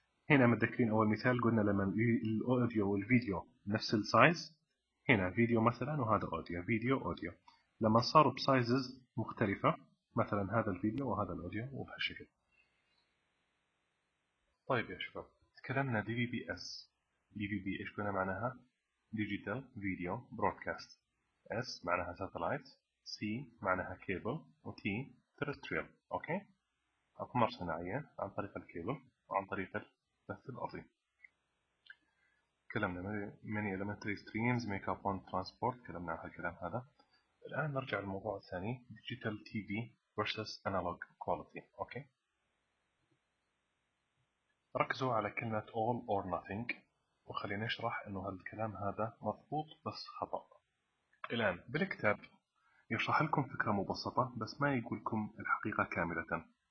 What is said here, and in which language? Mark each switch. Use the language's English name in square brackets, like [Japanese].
[Arabic] هنا متذكرين أول مثال قلنا لما الأوديو والفيديو نفس السايز، هنا فيديو مثلا وهذا أوديو، فيديو أوديو، لما صاروا بسايزز مختلفة، مثلا هذا الفيديو وهذا الأوديو، وبهالشكل. طيب يا شباب تكلمنا DVB-S. DVB إيش قلنا معناها؟ [English] Digital Video Broadcast. [Arabic] S معناها Satellite، C معناها Cable، و T Terrestrial، أوكي؟ أقمار صناعية عن طريق الكيبل وعن طريق البث الأرضي. كلامنا [English] many elementary streams make up one transport، [Arabic] كلامنا عن هالكلام هذا. الآن نرجع للموضوع الثاني، [English] digital TV versus analog quality، [Arabic] أوكي. ركزوا على كلمة [English] all or nothing، [Arabic] وخلينا نشرح إنه هالكلام هذا مضبوط بس خطأ. الآن بالكتاب يشرح لكم فكرة مبسطة بس ما يقولكم الحقيقة كاملة.